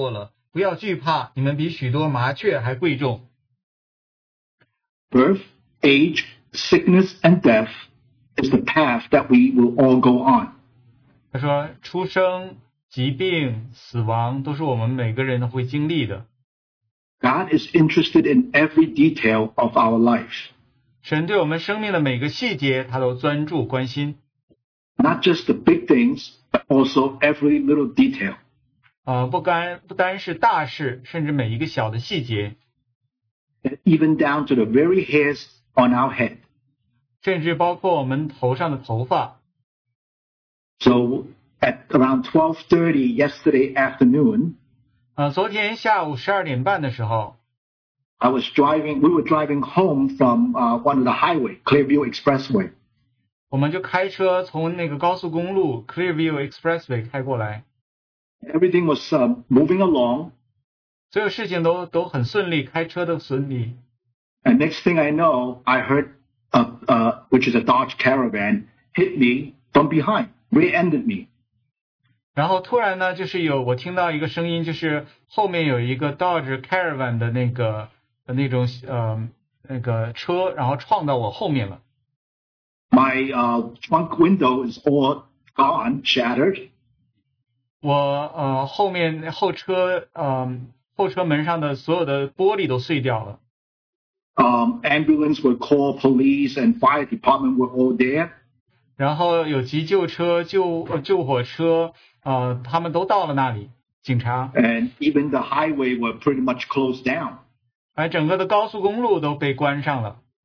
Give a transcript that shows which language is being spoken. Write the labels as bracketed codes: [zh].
[zh] 就是你们的头发也都被数过了,不要惧怕,你们比许多麻雀还贵重。 [en] Birth, age, sickness, and death is the path that we will all go on. [zh] 他说,出生,疾病,死亡都是我们每个人会经历的。 [en] God is interested in every detail of our life. [zh] 神对我们生命的每个细节,他都专注关心。 [en] Not just the big things, but also every little detail. [zh] 不单是大事,甚至每一个小的细节。 [en] Even down to the very hairs on our head. [zh] 甚至包括我们头上的头发。 [en] So, at around 12:30 yesterday afternoon, [zh] 昨天下午12点半的时候, [en] I was driving, we were driving home from one of the highway, Clearview Expressway. [zh] 我们就开车从那个高速公路, Clearview Expressway 开过来。 [en] Everything was moving along. [zh] 所有事情都很顺利, 开车都顺利。 [en] And next thing I know, I heard, which is a Dodge Caravan, hit me from behind, rear-ended me. [zh] 然后突然呢, 就是有, 我听到一个声音, 就是后面有一个 Dodge Caravan 的那个, 那种, 那个车, 然后撞到我后面了。 [en] My trunk window is all gone, shattered. [zh] 我, 后面, 后车, 后车门上的所有的玻璃都碎掉了。 [en] Ambulance were called, police and fire department were all there. [zh] 然后有急救车, 救火车, 他们都到了那里,警察。 [en] And even the highway were pretty much closed down. [zh] 整个的高速公路都被关上了。